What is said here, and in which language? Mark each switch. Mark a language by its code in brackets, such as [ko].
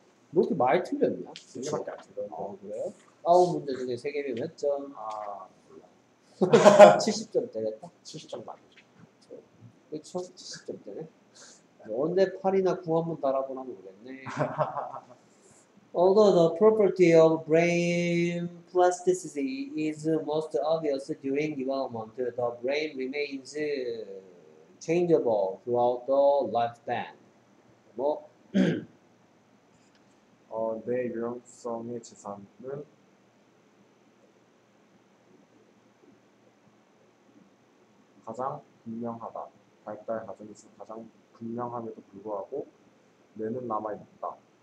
[ko] 뭐 이렇게 많이 틀렸냐? 그래요? 아홉 문제 중에 세 개면 몇 점? 아, 몰라. 70점 때렸다? 70점 맞죠. 그쵸? 70점 때네. 언제 8이나 9 한번 달아보나 모르겠네. [en] Although the property of brain plasticity is most obvious during development, the brain remains changeable throughout the lifespan. [ko] 뭐? 내 유연성의 재산은 가장 분명하다. 발달 과정에서 가장 분명함에도 불구하고 뇌는 남아있다.